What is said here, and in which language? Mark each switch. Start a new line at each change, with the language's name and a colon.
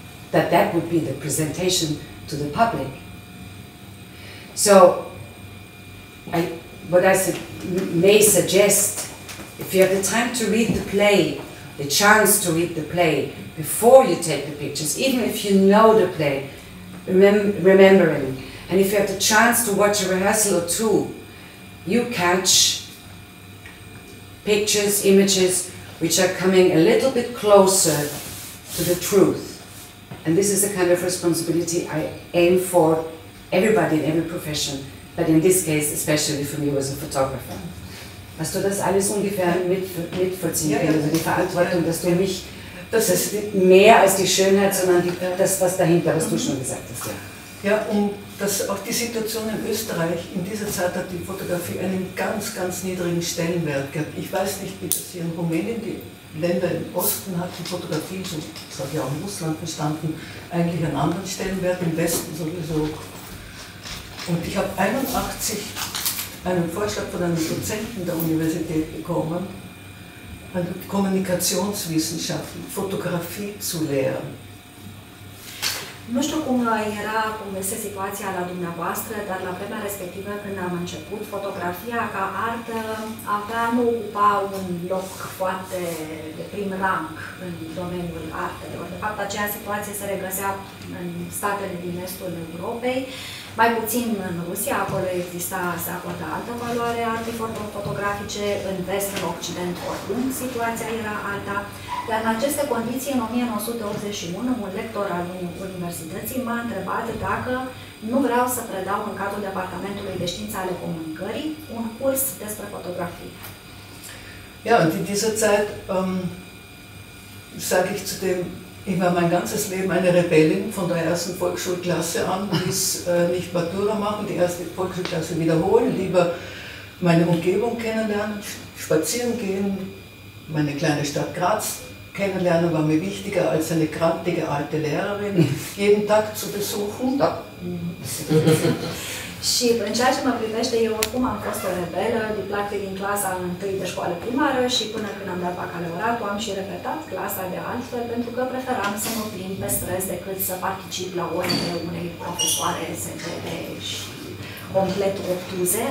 English: That would be the presentation to the public. So, what I may suggest, if you have the time to read the play, the chance to read the play before you take the pictures, even if you know the play, remembering, and if you have the chance to watch a rehearsal or two, you catch pictures, images, which are coming a little bit closer to the truth. And this is the kind of responsibility I aim for everybody in every profession, but in this case, especially for me as a photographer.
German: Hast du das alles ungefähr mitvollziehen können? Also die Verantwortung, dass du mich, das ist mehr als die Schönheit, sondern die, das, was dahinter, was du schon gesagt hast, ja. Ja, und das, auch die Situation in Österreich, in dieser Zeit hat die Fotografie einen ganz, ganz niedrigen Stellenwert gehabt. Ich weiß nicht, wie das hier in Rumänien, die Länder im Osten hatten Fotografie, so hat ja auch in Russland bestanden, eigentlich einen anderen Stellenwert, im Westen sowieso. Und ich habe 81 einen Vorschlag von einem Dozenten der Universität bekommen, an Kommunikationswissenschaften, Fotografie zu lehren.
Romanian: Nu știu cum era, cum este situația la dumneavoastră, dar la vremea respectivă, când am început, fotografia ca artă avea, nu ocupa un loc foarte de prim rang în domeniul artelor. De fapt, aceea situație se regăsea în statele din estul Europei, mai puțin în Rusia, acolo exista, se acorda altă valoare artei fotografice, în vest, în occident, oricum, situația era alta. Dar în aceste condiții, în 1981, un lector al universității m-a întrebat dacă nu vreau să predau în cadrul Departamentului de Științe ale Comunicării un curs despre fotografie.
German: Ja, und in dieser Zeit, sage ich zudem, ich war mein ganzes Leben eine Rebellin, von der ersten Volksschulklasse an, bis nicht Matura machen, die erste Volksschulklasse wiederholen, lieber meine Umgebung kennenlernen, spazieren gehen, meine kleine Stadt Graz kennenlernen war mir wichtiger als eine krantige alte Lehrerin jeden Tag zu besuchen.
Romanian: Da. Și în ceea ce mă privește, eu oricum am fost o rebelă, de plac din clasa 1 de școală primară și până când am dat bacalaureatul am și repetat clasa de altfel pentru că preferam să mă plimb pe străzi decât să particip la orele unei profesoare SPD și complet obtuze.